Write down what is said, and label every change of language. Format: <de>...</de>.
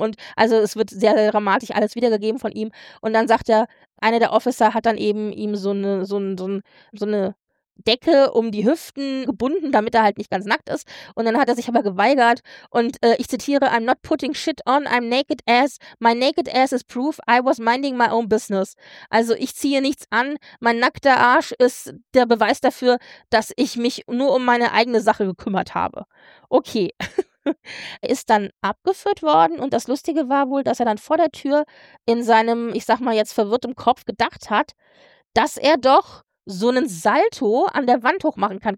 <de>Und also es wird sehr, sehr dramatisch alles wiedergegeben von ihm. Und dann sagt er, einer der Officer hat dann eben ihm so eine Decke um die Hüften gebunden, damit er halt nicht ganz nackt ist. Und dann hat er sich aber geweigert und ich zitiere,</de> <en>I'm not putting shit on, I'm naked ass. My naked ass is proof, I was minding my own business.</en> <de>Also ich ziehe nichts an, mein nackter Arsch ist der Beweis dafür, dass ich mich nur um meine eigene Sache gekümmert habe. Okay. Ist dann abgeführt worden und das Lustige war wohl, dass er dann vor der Tür in seinem, ich sag mal jetzt verwirrtem Kopf gedacht hat, dass er doch so einen Salto an der Wand hochmachen kann.</de>